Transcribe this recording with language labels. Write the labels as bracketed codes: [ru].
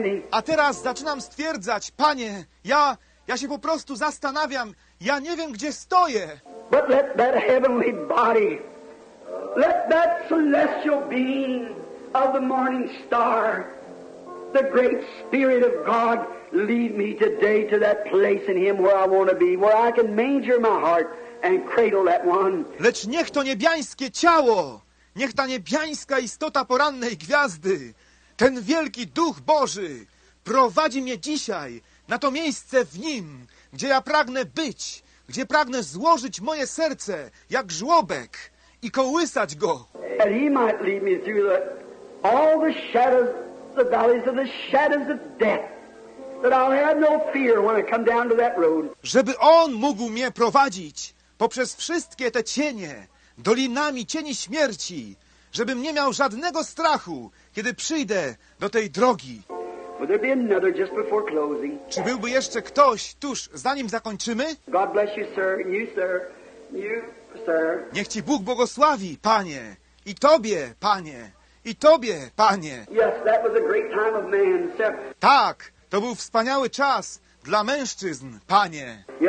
[pl] A teraz zaczynam stwierdzać, Panie, ja się po prostu zastanawiam, ja nie wiem, gdzie stoję. [en] But let that heavenly body, let that celestial being of the morning star, the great spirit of God, lead me today to that place in him where I want to be, where I can manger my heart and cradle that one. [pl] Lecz niech to niebiańskie ciało, niech ta niebiańska istota porannej gwiazdy, ten wielki Duch Boży, prowadzi mnie dzisiaj na to miejsce w Nim, gdzie ja pragnę być, gdzie pragnę złożyć moje serce jak żłobek i kołysać go. [en] And he might lead me through the, all the shadows, the valleys of the shadows of death, that I'll have no fear when I come down to that road. [pl] Żeby On mógł mnie prowadzić poprzez wszystkie te cienie, dolinami cieni śmierci, żebym nie miał żadnego strachu, kiedy przyjdę do tej drogi. [en] Will there be another just before closing? [pl] Czy byłby jeszcze ktoś tuż, zanim zakończymy? [en] God bless you, sir. You, sir. You, sir. [pl] Niech ci Bóg błogosławi, Panie, i Tobie, Panie, i Tobie, Panie. [en] Yes, that was a great time of man, sir. [pl] Tak, to był wspaniały czas dla mężczyzn, Panie.